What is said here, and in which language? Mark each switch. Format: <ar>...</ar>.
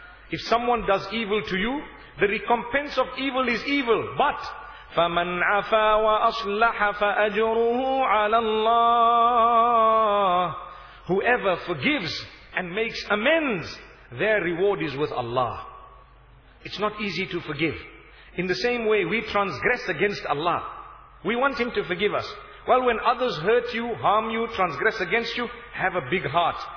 <en>If someone does evil to you, the recompense of evil is evil. But</en> <ar>فَمَنْ عَفَى وَأَصْلَحَ فَأَجْرُهُ عَلَى اللَّهِ.</ar> <en>Whoever forgives and makes amends, their reward is with Allah. It's not easy to forgive. In the same way, we transgress against Allah. We want Him to forgive us. Well, when others hurt you, harm you, transgress against you, have a big heart.</en>